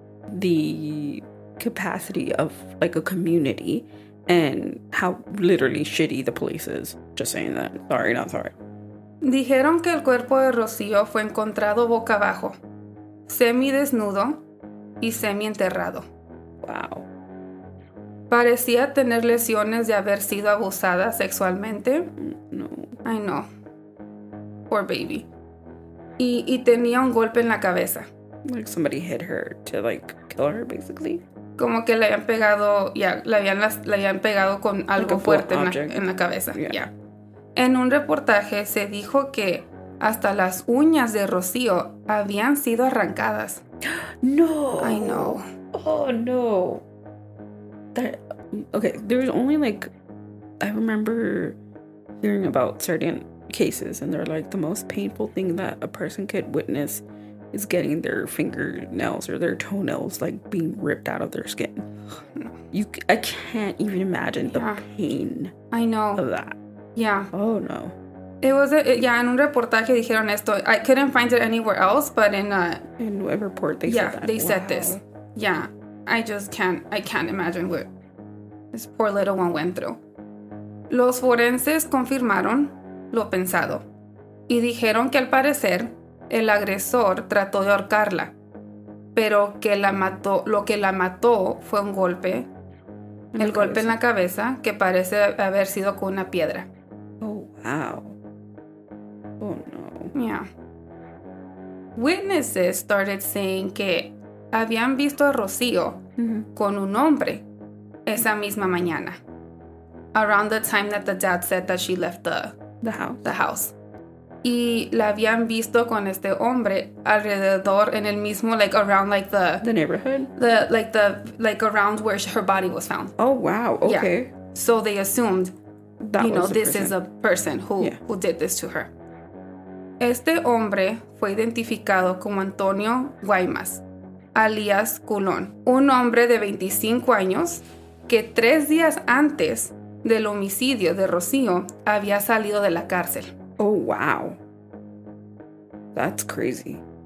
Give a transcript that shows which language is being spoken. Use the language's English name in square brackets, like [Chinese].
[English] the capacity of like a community and how literally shitty the police is. Just saying that. Sorry, not sorry. [Spanish] Dijeron que el cuerpo de Rocío fue encontrado boca abajo, semi desnudo y semi enterrado. [English] Wow. [Spanish] Parecía tener lesiones de haber sido abusada sexualmente. [English] No. I know. Poor baby. [Spanish] Y tenía un golpe en la cabeza. [English] Like somebody hit her to like kill her, basically. [Spanish] Como que le habían pegado, yeah, le habían pegado con algo like fuerte en la cabeza. Yeah. Yeah. En un reportaje se dijo que hasta las uñas de Rocío habían sido arrancadas. [English] No. I know. Oh no. There was only like, I remember hearing about certain cases, and they're like the most painful thing that a person could witness. Is getting their fingernails or their toenails like being ripped out of their skin. I can't even imagine the pain. I know. Of that. Yeah. Oh no. It was in [Spanish] un reportaje dijeron esto. [English] I couldn't find it anywhere else, but in a report they said that. They said this. Yeah. I just can't. I can't imagine what this poor little one went through. [Spanish] Los forenses confirmaron lo pensado y dijeron que al parecer el agresor trató de ahorcarla, pero que la mató, lo que la mató fue un golpe, el golpe en la cabeza, que parece haber sido con una piedra. [English] Oh, wow. Oh, no. Yeah. Witnesses started saying [Spanish] que habían visto a Rocío con un hombre esa misma mañana. [English] Around the time that the dad said that she left the house. [Spanish] Y la habían visto con este hombre alrededor en el mismo, [English] like, around, like, the... The neighborhood? Like, around where her body was found. Oh, wow. Okay. Yeah. So they assumed, this is a person who did this to her. [Spanish] Este hombre fue identificado como Antonio Guaymas, alias Culón. Un hombre de 25 años que 3 días antes del homicidio de Rocío había salido de la cárcel. [English] Oh, wow. That's crazy.